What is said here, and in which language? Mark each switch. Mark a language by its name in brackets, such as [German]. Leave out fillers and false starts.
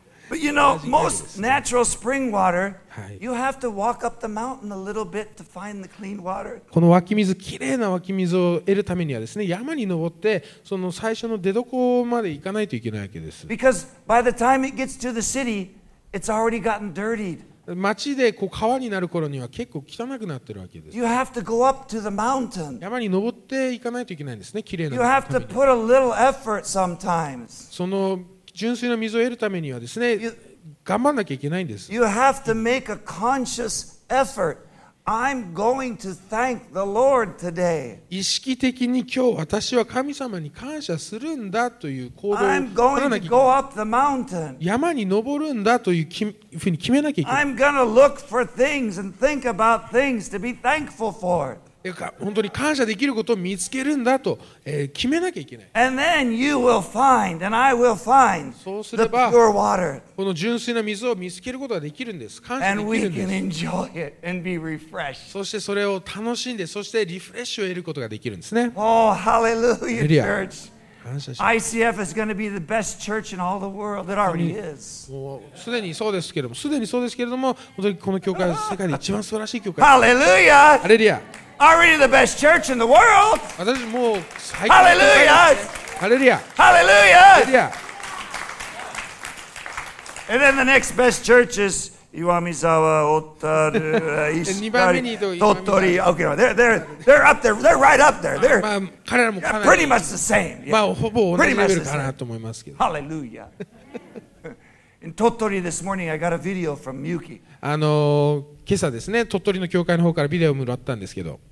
[English] But you know, most natural spring water, you have to walk up the mountain a little bit to find the clean water. [Japanese] この湧き水、きれいな湧き水を得るためにはですね、山に登ってその最初の出どこまで行かないといけないわけです。 [English] Because by the time it gets to the city, it's already gotten dirtied. [Japanese] 町でこう川になる頃には結構汚くなってるわけです。 [English] You have to go up to the mountain. [Japanese] 山に登って行かないといけないんですね、きれいな。 [English] You have to put a little effort sometimes. [Japanese] その純粋な水を得るためにはですね、頑張んなきゃいけないんです。 [English] You have to make a conscious effort. I'm going to thank the Lord today. [Japanese] 意識的に今日私は神様に感謝するんだという行動を [English] I'm going to go up the mountain. [Japanese] 山に登るんだというふうに決めなきゃいけない。 [English] I'm going to look for things and think about things to be thankful for. [Japanese] 本当に感謝できることを見つけるんだと、決めなきゃいけない。 [English] And then you will find, and I will find the pure water. [Japanese] この純粋な水を見つけることができるんです。感謝できるんです。 [English] And we can enjoy it and be refreshed. [Japanese] そしてそれを楽しんで、そしてリフレッシュを得ることができるんですね。 [English] Oh, hallelujah, church. [Japanese] 感謝します。 [English] ICF is going to be the best church in all the world. It already is. [Japanese] すでにそうですけれども、本当にこの教会は世界で一番素晴らしい教会。 [English] Hallelujah. [Japanese] ハレルヤ。 [English] Already the best church in the world. Hallelujah! Hallelujah! Hallelujah! And then the next best church is Iwamizawa, Otaru, Ishikari, Tottori. Okay, they're up there. They're right up there. They're pretty much the same. Pretty much the same. Hallelujah! In Tottori this morning, I got a video from Miyuki. [Japanese] 今朝ですね、鳥取の教会の方からビデオをもらったんですけど。